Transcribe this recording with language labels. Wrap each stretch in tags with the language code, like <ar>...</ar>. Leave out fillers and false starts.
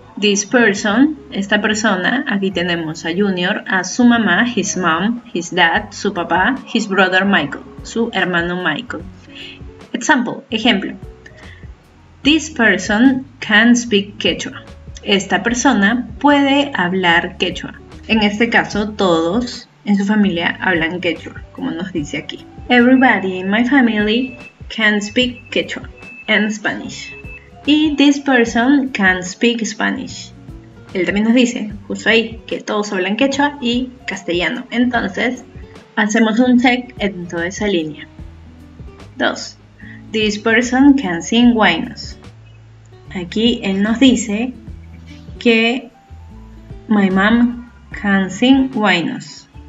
<en>This person,</en> <es>esta persona, aquí tenemos a Junior, a su mamá,</es> <en>his mom, his dad,</en> <es>su papá,</es> <en>his brother Michael,</en> <es>su hermano Michael.</es> <en>Example, ejemplo. This person can speak Quechua.</en> <es>Esta persona puede hablar Quechua. En este caso, todos en su familia hablan Quechua, como nos dice aquí.</es> <en>Everybody in my family can speak Quechua and Spanish. Y this person can speak Spanish.</en> <es>Él también nos dice, justo ahí, que todos hablan Quechua y castellano. Entonces, hacemos un check en toda esa línea. 2.</es> <en>This person can sing guaynos.</en> <es>Aquí él nos dice que</es> <en>my mom can sing guaynos.</en>